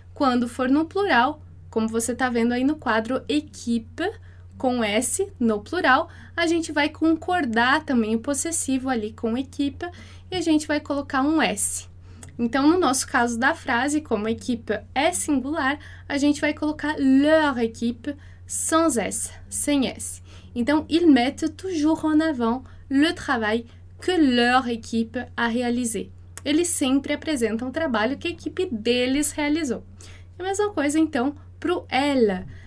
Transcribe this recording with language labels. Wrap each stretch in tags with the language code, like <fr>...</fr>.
<pt>Quando for no plural, como você está vendo aí no quadro, équipe, com S no plural, a gente vai concordar também o possessivo ali com equipe e a gente vai colocar um S. Então, no nosso caso da frase, como equipe é singular, a gente vai colocar</pt> <fr>leur équipe sans S,</fr> <pt>sem S. Então,</pt> <fr>ils mettent toujours en avant le travail que leur équipe a réalisé.</fr> <pt>Eles sempre apresentam o trabalho que a equipe deles realizou. A mesma coisa, então, para o elle.</pt>